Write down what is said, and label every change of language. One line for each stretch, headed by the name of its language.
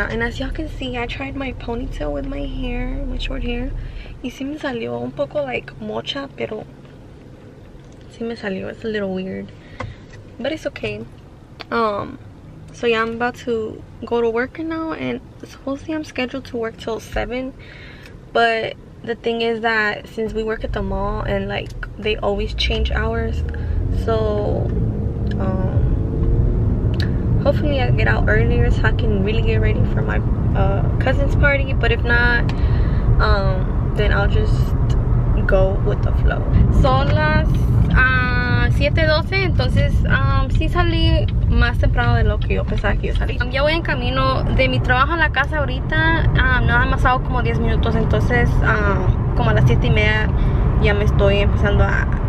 English: And as y'all can see, I tried my ponytail with my hair, my short hair.
Spanish: Y sí me salió un poco like mocha, pero sí me salió.
English: It's a little weird. But it's okay. So yeah, I'm about to go to work now. And supposedly I'm scheduled to work till 7. But the thing is that since we work at the mall and like they always change hours, so... hopefully I get out earlier so I can really get ready for my cousin's party. But if not, then I'll just go with the flow.
Spanish: Son las 7:12, entonces sí salí más temprano de lo que yo pensaba que iba a salir. Ya voy en camino de mi trabajo a la casa ahorita. Nada más hago como 10 minutos, entonces como a las 7:30 ya me estoy empezando a